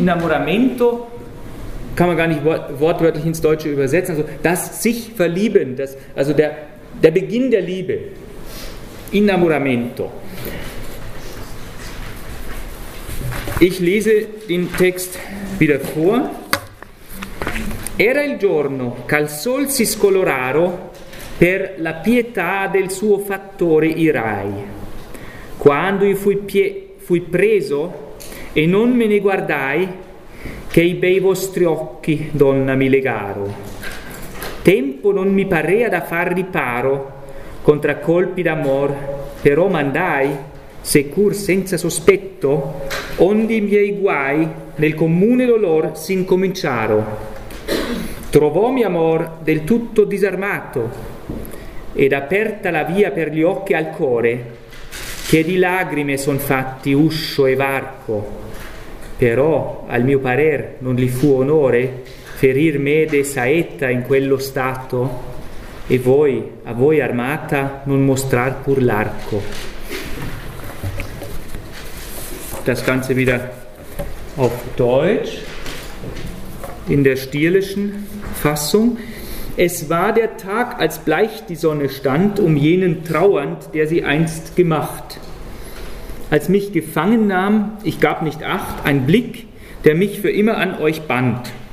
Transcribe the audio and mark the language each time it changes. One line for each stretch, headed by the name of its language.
German: Innamoramento kann man gar nicht wortwörtlich ins Deutsche übersetzen. Also das sich verlieben, der Beginn der Liebe. Innamoramento. Ich lese den Text wieder vor.
Italian: Era il giorno ch'al sol si scoloraro per la pietà del suo fattore irai. Quando io fui preso e non me ne guardai che i bei vostri occhi, donna, mi legaro. Tempo non mi parea da far riparo contra colpi d'amor, però mandai, secur senza sospetto, onde i miei guai nel comune dolor s'incominciaro. Trovò mi amor del tutto disarmato ed aperta la via per gli occhi al core, che di lagrime son fatti uscio e varco. Però, al mio parer, non li fu onore ferir me de saetta in quello stato e voi, a voi armata, non mostrar pur l'arco.
German: Das Ganze wieder auf Deutsch, in der stierlichen Fassung. Es war der Tag, als bleich die Sonne stand, um jenen trauernd, der sie einst gemacht. Als mich gefangen nahm, ich gab nicht acht, ein Blick, der mich für immer an euch band.